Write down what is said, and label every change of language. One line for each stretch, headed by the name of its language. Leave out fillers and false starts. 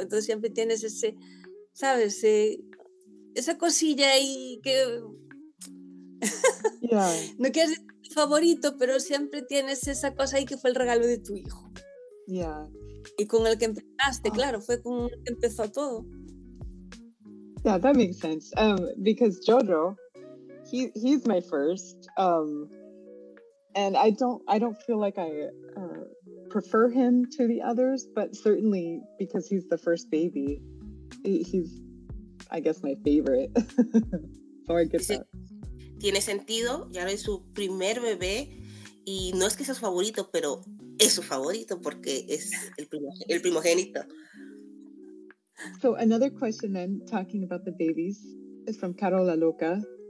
Spanish: Entonces siempre tienes ese, ¿sabes? Esa cosilla ahí que... No quieres decir tu favorito, pero siempre tienes esa cosa ahí que fue el regalo de tu hijo.
English: Yeah.
Spanish: Y con el que empezaste, claro, fue con el que empezó todo.
English: Yeah, that makes sense. Because Jojo, he's my first. And I don't feel like I prefer him to the others, but certainly because he's the first baby, he's, I guess, my favorite. So I get that.
Spanish: Tiene sentido, ya es su primer bebé, y no es que sea su favorito, pero es su favorito porque es el primogénito.
English: So another question then, talking about the babies, is from Carol La Loca.